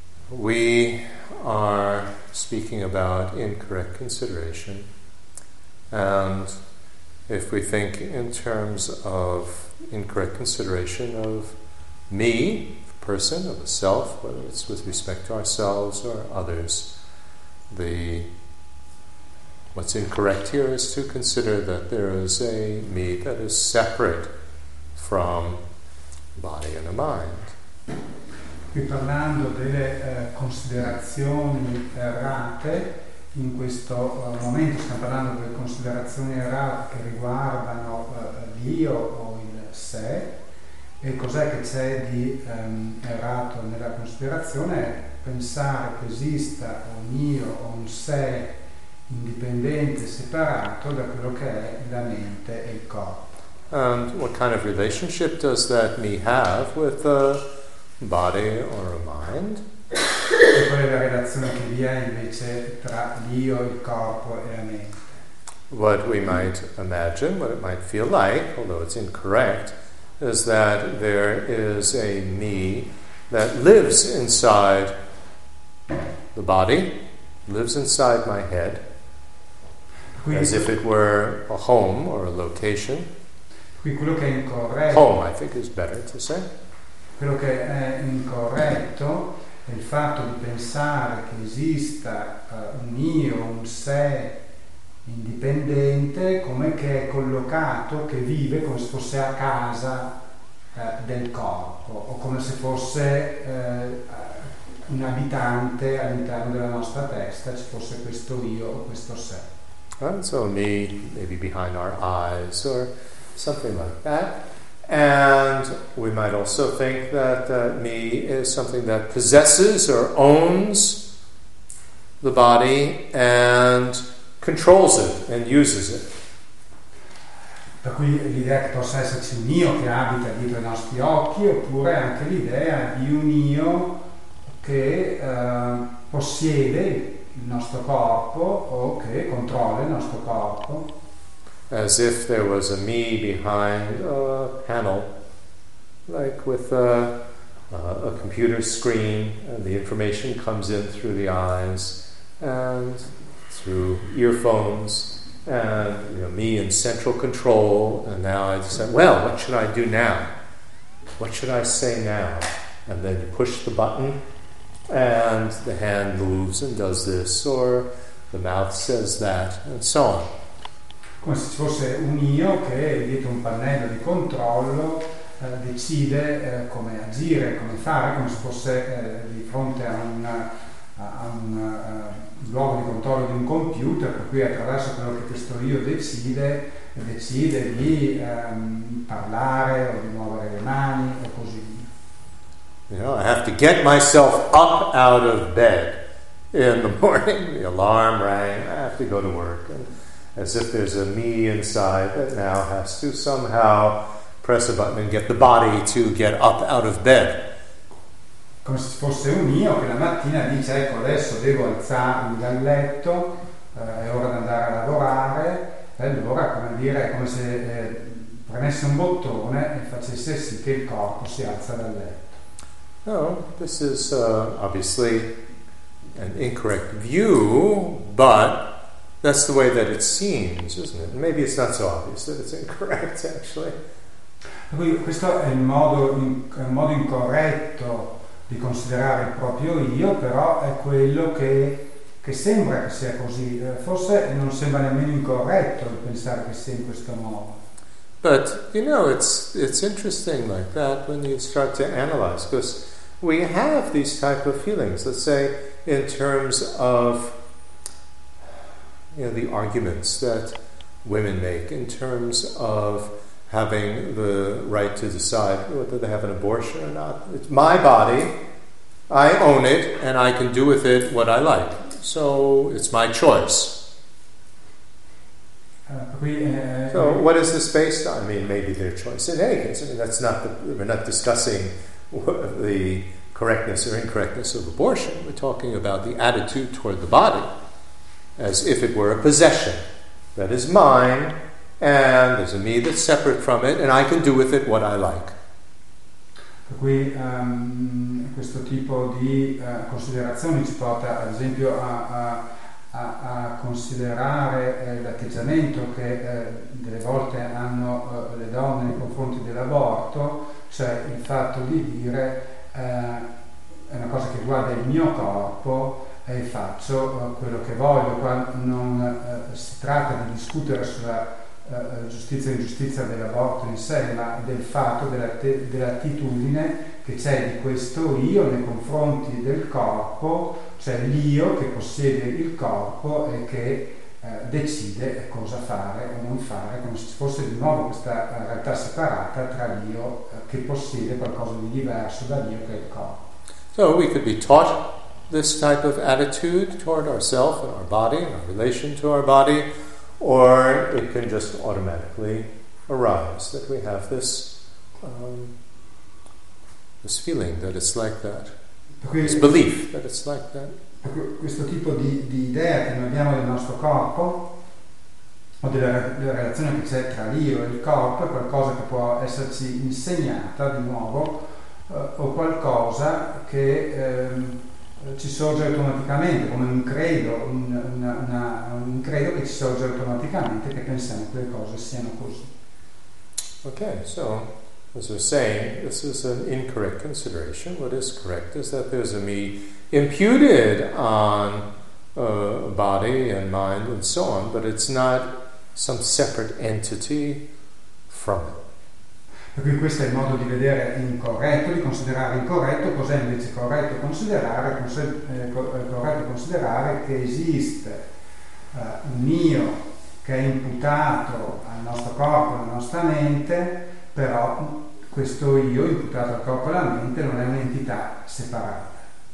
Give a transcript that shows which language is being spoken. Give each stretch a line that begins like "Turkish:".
English: We are speaking about incorrect consideration, and if we think in terms of incorrect consideration of me, the person, of a self, whether it's with respect to ourselves or others, what's incorrect here is to consider that there is a me that is separate from body and a mind.
Italian: Qui parlando delle considerazioni errate, in questo momento stiamo parlando delle considerazioni errate che riguardano l'io o il sé, e cos'è che c'è di errato nella considerazione? Pensare che esista un io o un sé indipendente, separato da quello che è la mente e il corpo.
English: And what kind of relationship does that me have with a body or a mind?
Italian: E qual è la relazione che vi è invece tra l'io, il corpo e la mente?
English: What we might imagine, what it might feel like, although it's incorrect, is that there is a me that lives inside the body, lives inside my head, as if it were a home or a location.
Italian: Qui quello che è incorretto,
English: home, I think, is better to say.
Italian: Quello che è incorretto è il fatto di pensare che esista un io, un sé indipendente, come che è collocato, che vive come se fosse a casa del corpo, o come se fosse un abitante all'interno della nostra testa, ci fosse questo io o questo sé.
English: And so me, maybe behind our eyes or something like that. And we might also think that me is something that possesses or owns the body and controls it and uses it.
Italian: Per cui l'idea che possa esserci un io che abita dietro i nostri occhi, oppure anche l'idea di un io che possiede il nostro corpo o che controlla il nostro corpo.
English: As if there was a me behind a panel, like with a computer screen, and the information comes in through the eyes and through earphones, and you know, me in central control, and now I decide, well, what should I do now? What should I say now? And then you push the button, and the hand moves and does this, or the mouth says that, and so on.
Italian: Come se ci fosse un io che dietro un pannello di controllo decide come agire, come fare, come se fosse di fronte a un luogo di controllo di un computer, per cui attraverso quello che questo io decide di parlare o di muovere le mani o così.
English: You know, I have to get myself up out of bed in the morning. The alarm rang, I have to go to work. As if there's a me inside that now has to somehow press a button and get the body to get up out of bed.
Italian: Come se fosse un io che la mattina dice, ecco, adesso devo alzarmi dal letto, è ora di andare a lavorare, e allora, come dire, è come se premesse un bottone e facesse sì che il corpo si alza dal letto.
English: No, this is obviously an incorrect view, but that's the way that it seems, isn't it? Maybe it's not so obvious that it's incorrect, actually.
Italian: Questo è il modo incorretto di considerare il proprio io, però è quello che sembra che sia così. Forse non sembra nemmeno incorretto pensare che sia in questo modo.
English: But you know, it's interesting like that when you start to analyze, because we have these type of feelings. Let's say in terms of, you know, the arguments that women make in terms of having the right to decide whether they have an abortion or not. It's my body, I own it, and I can do with it what I like. So it's my choice. So what is this based on? I mean, maybe their choice in any case. I mean, we're not discussing the correctness or incorrectness of abortion. We're talking about the attitude toward the body as if it were a possession that is mine, and there's a me that's separate from it, and I can do with it what I like.
Italian: Per cui questo tipo di considerazioni ci porta, ad esempio, a considerare l'atteggiamento che delle volte hanno le donne nei confronti dell'aborto, cioè il fatto di dire è una cosa che riguarda il mio corpo e faccio quello che voglio. Qua non si tratta di discutere sulla giustizia e ingiustizia dell'aborto in sé, ma del fatto dell'attitudine che c'è di questo io nei confronti del corpo, cioè l'io che possiede il corpo e che decide cosa fare o non fare, come se ci fosse di nuovo questa realtà separata tra l'io che possiede qualcosa di diverso da l'io che è il corpo.
English: So we could be taught this type of attitude toward ourselves and our body and our relation to our body, or it can just automatically arise that we have this this feeling that it's like that, this belief that it's like that.
Italian: Questo tipo di idea che noi abbiamo del nostro corpo o della relazione che c'è tra l'io e il corpo è qualcosa che può esserci insegnata di nuovo o qualcosa che ci sorge automaticamente come un credo, un credo che ci sorge automaticamente, che pensiamo che le cose siano così.
English: Okay, so as we're saying, this is an incorrect consideration. What is correct is that there's a me imputed on body and mind and so on, but it's not some separate entity from it.
Italian: Perché questo è il modo di vedere incorretto, di considerare incorretto. Cos'è invece corretto considerare? Corretto considerare che esiste un io che è imputato al nostro corpo, alla nostra mente, però questo io imputato al corpo e alla mente non è un'entità separata.